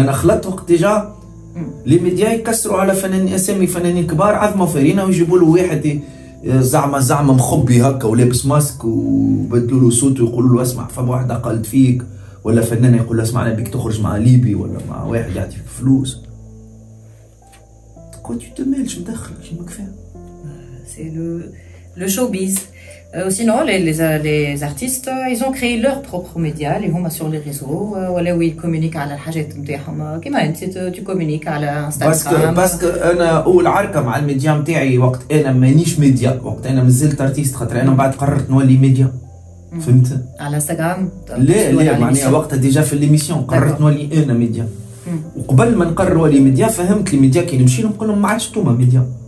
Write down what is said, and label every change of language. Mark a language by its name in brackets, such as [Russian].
[Arabic] انا خلطت وقت [French] ديجا لي ميديا [Arabic] يكسروا على فنان اسامي فنانين كبار عظمه فرينه ويجيبوا له واحد زعمه مخبي هكا ولابس ماسك وبدلوا له صوته ويقول له اسمع فما واحده قالت فيك، ولا فنان يقول له اسمع انا بيك تخرج مع ليبي ولا مع واحد يعطي فلوس. كنت تمال شو مدخلك شو مكفاه [French] سي لو شوبيز. Sinon, les artistes, ils ont créé leurs propres médias, les hommes sur les réseaux, où ils communiquent à la [Arabic] hajet m'tayhom. [French] Comment tu communiques à Instagram? Parce que, [Arabic] أنا أول عركة مع الميديا متاعي وقت أنا مانيش ميديا، وقت أنا مازلت أرتيست خاطر أنا بعد قررت نولي ميديا. فهمت؟ على Instagram؟ لا، معناها وقتها ديجا في الإيميسيون قررت نولي أنا ميديا. وقبل ما نقرر نولي ميديا فهمت الميديا كي نمشي لهم نقول لهم ما عادش توما ميديا.